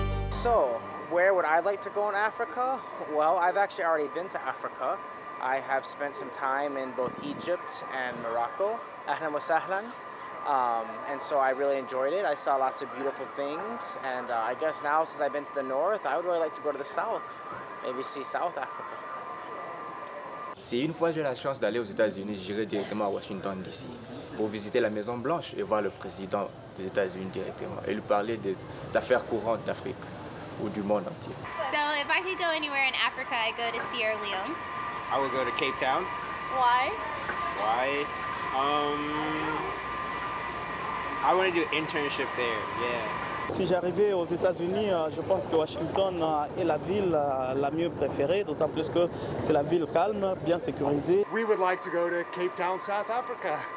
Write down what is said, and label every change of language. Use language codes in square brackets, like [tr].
[en] So, where would I like to go in Africa? Well, I've actually already been to Africa. I have spent some time in both Egypt and Morocco. [ar] Ahlan wa sahlan. [en] And so I really enjoyed it. I saw lots of beautiful things. And I guess now, since I've been to the north, I would really like to go to the south. Maybe see South Africa. [fr] Si une fois j'ai la chance d'aller aux États-Unis, j'irai directement à Washington DC pour visiter la Maison Blanche et voir le président des États-Unis directement et lui parler des affaires courantes d'Afrique ou du monde entier. [en] So if I could go anywhere in Africa, I'd go to Sierra Leone. I would go to Cape Town. Why? Why? I want to do an internship there. Yeah. [fr] Si j'arrivais aux États-Unis, je pense que Washington est la ville la mieux préférée, d'autant plus que c'est la ville calme, bien sécurisée. [en] We would like to go to Cape Town, South Africa.